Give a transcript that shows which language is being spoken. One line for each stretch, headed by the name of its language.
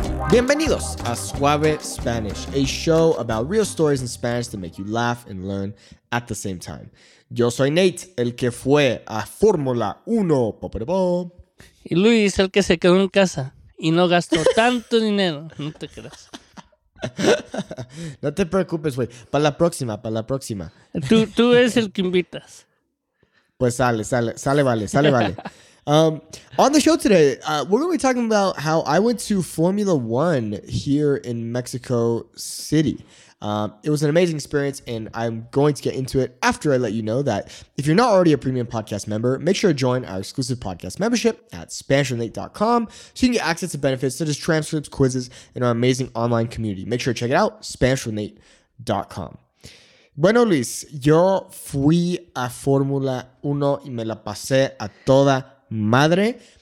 Spanish: Bienvenidos
English: a Suave Spanish, a show about real stories in Spanish to make you laugh and learn at the same time.
Spanish: Yo soy Nate, el que fue a Fórmula 1. Y Luis, el que se quedó en casa y no gastó tanto dinero. No te creas. No te preocupes, güey. Para la próxima. Tú eres el que invitas. Pues sale, vale.
English: On the show today, we're going to be talking about how I went to Formula One here in Mexico City. It was an amazing experience, and I'm going to get into it after I let you know that if you're not already a premium podcast member, make sure to join our exclusive podcast membership at SpanishWithNate.com so you can get access to benefits such as transcripts, quizzes, and our amazing online community. Make sure to check it out, SpanishWithNate.com.
Spanish: Bueno, Luis, yo fui a Fórmula 1 y me la pasé a toda madre.